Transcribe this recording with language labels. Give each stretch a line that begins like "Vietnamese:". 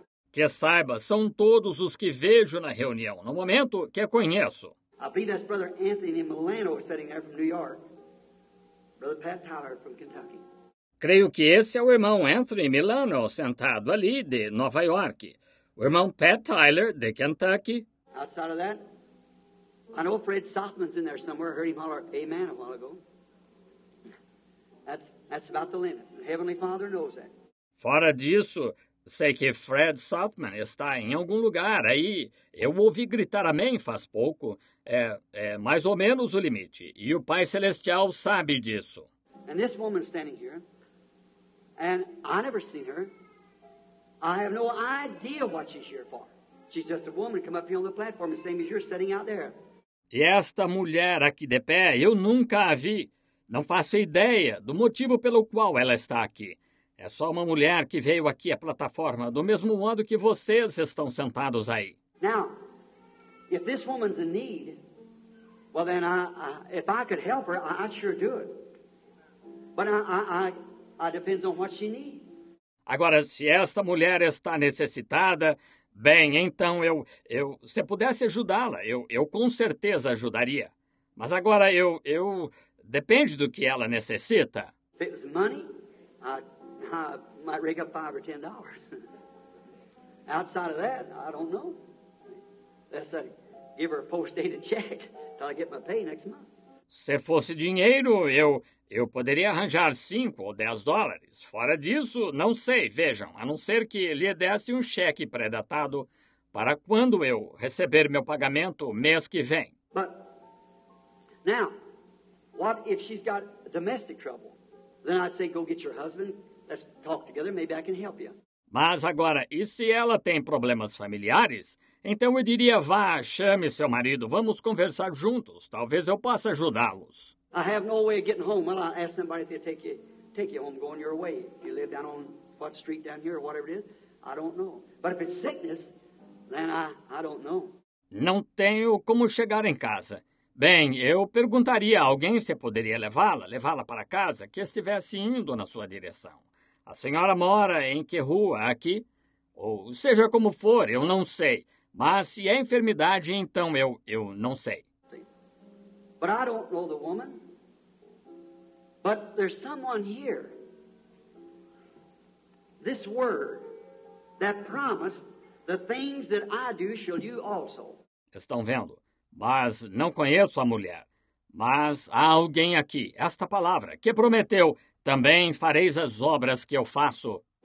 Portuguese: Que saiba, são todos os que vejo na reunião, no momento que conheço.
English: I believe that's Brother Anthony Milano sitting there from New York. Brother Pat Tyler from Kentucky.
Portuguese: Creio que esse é o irmão Anthony Milano, sentado ali, de Nova York. O irmão Pat Tyler, de Kentucky.
English: Outside of that, I know Fred Softman's in there somewhere. I heard him holler, amen, a while ago. That's about the limit. Heavenly Father knows that.
Portuguese: Fora disso, sei que Fred Softman está em algum lugar aí. Eu ouvi gritar amém faz pouco. É mais ou menos o limite. E o Pai Celestial sabe disso.
English: And this woman standing here. And I never seen her. I have no idea what she's here for. She's just a woman come up here on the platform the same as you're sitting out there.
Portuguese: E esta mulher aqui de pé, eu nunca a vi. Não faço ideia do motivo pelo qual ela está aqui. É só uma mulher que veio aqui à plataforma, do mesmo modo que vocês estão sentados aí.
English: Now, if this woman's in need, well then, if I could help her, I'd sure do it. But depends on what she needs.
Portuguese: Agora, se esta mulher está necessitada, bem, então eu se pudesse ajudá-la, eu com certeza ajudaria. Mas agora eu depende do que ela necessita.
English: If it was money, I might rig up $5 or $10. Outside of that, I don't know. Let's say, give her a post-dated check till I get my pay next month.
Portuguese: Se fosse dinheiro, eu poderia arranjar $5 or $10. Fora disso, não sei, vejam, a não ser que lhe desse um cheque pré-datado para quando eu receber meu pagamento mês que vem.
English: But, now, what if she's got domestic trouble? Then I'd say, go get your husband, let's talk together, maybe I can help you.
Portuguese: Mas agora, e se ela tem problemas familiares? Então eu diria, vá, chame seu marido, vamos conversar juntos, talvez eu possa ajudá-los.
English: I have no way of getting home. Well, I'll ask somebody if they take you home, going your way. If you live down on what street down here or whatever it is, I don't know. But if it's sickness, then I don't know.
Portuguese: Não tenho como chegar em casa. Bem, eu perguntaria a alguém se poderia levá-la para casa, que estivesse indo na sua direção. A senhora mora em que rua aqui? Ou seja como for, eu não sei. Mas se é enfermidade, então eu não sei.
English: But I don't know the woman. But there's someone here. This word that promised the things that I do shall you also.
Portuguese: Estão vendo? Mas não conheço a mulher. Mas há alguém aqui. Esta palavra que prometeu, também fareis as obras que eu faço.